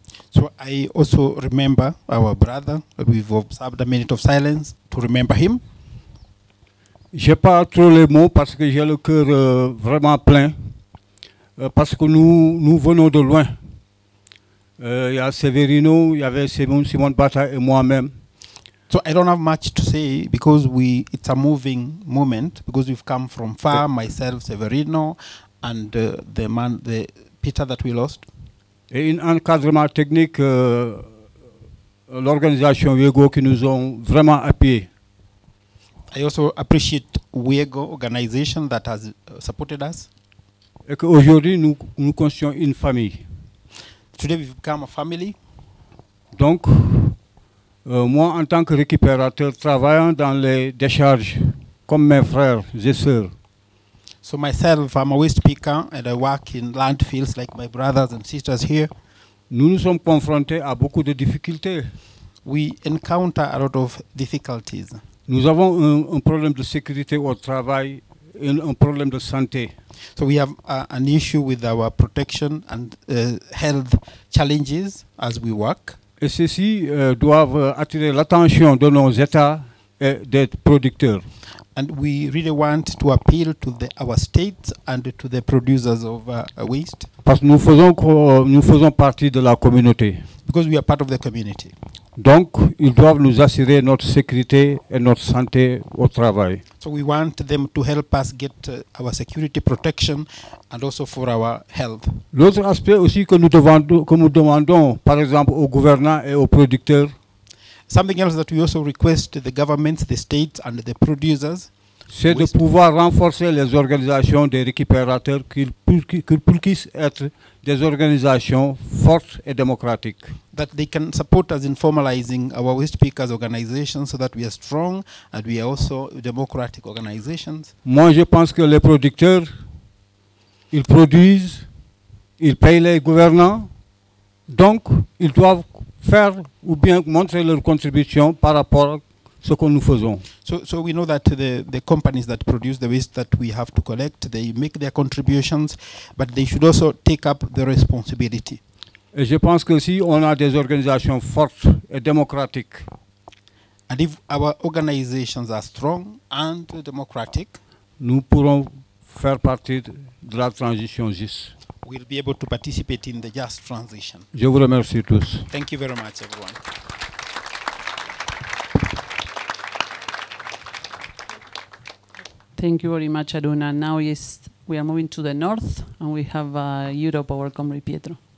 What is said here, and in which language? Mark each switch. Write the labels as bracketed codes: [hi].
[en] So I also remember our brother. We've observed a minute of silence to remember him. [fr] Je n'ai pas trop les mots parce que j'ai le cœur vraiment plein. Parce que nous venons de loin. Il y a Severino, il y avait Simon Bata et moi-même. [en] So I don't have much to say because it's a moving moment, because we've come from far, myself, Severino, and the Peter that we lost. [fr] Et un encadrement technique, l'organisation WIEGO qui nous ont vraiment appuyés. [en] I also appreciate WIEGO organization that has supported us. [fr] Et qu'aujourd'hui nous constituons une famille. [en] Today we've become a family. [fr] Donc, moi en tant que récupérateur travaillant dans les décharges, comme mes frères et sœurs. [en] So myself, I'm a waste picker and I work in landfills like my brothers and sisters here. [fr] Nous nous sommes confrontés à beaucoup de difficultés. [en] We encounter a lot of difficulties. [fr] Nous avons un problème de sécurité au travail et un problème de santé. [en] So we have an issue with our protection and health challenges as we work. [fr] Et ceci doivent attirer l'attention de nos états et des producteurs. [en] And we really want to appeal to our states and to the producers of waste. [fr] Parce que nous faisons partie de la communauté. [en] Because we are part of the community. [fr] Donc, ils doivent nous assurer notre sécurité et notre santé au travail. [en] So we want them to help us get our security protection and also for our health. [fr] L'autre aspect aussi que nous demandons, par exemple, aux gouvernants et aux producteurs. [en] Something else that we also request the governments, the states and the producers. [fr] C'est de pouvoir renforcer les organisations des récupérateurs qu'ils puissent être des organisations fortes et démocratiques. [en] That they can support us in formalizing our waste pickers organizations so that we are strong and we are also democratic organizations. [fr] Moi, je pense que les producteurs, ils produisent, ils payent les gouvernants, donc ils doivent faire ou bien montrer leur contribution par rapport à ce que nous faisons. [en] So we know that the companies that produce the waste that we have to collect, they make their contributions, but they should also take up the responsibility. [fr] Et je pense que si on a des organisations fortes et démocratiques, [en] and if our organizations are strong and democratic, [fr] nous pourrons faire partie de la transition juste. [en] We'll be able to participate in the just transition. [fr] Je vous remercie tous. [en] Thank you very much, everyone. Thank you very much, Aruna. Now we are moving to the north, and we have Europe, our comrade Pietro.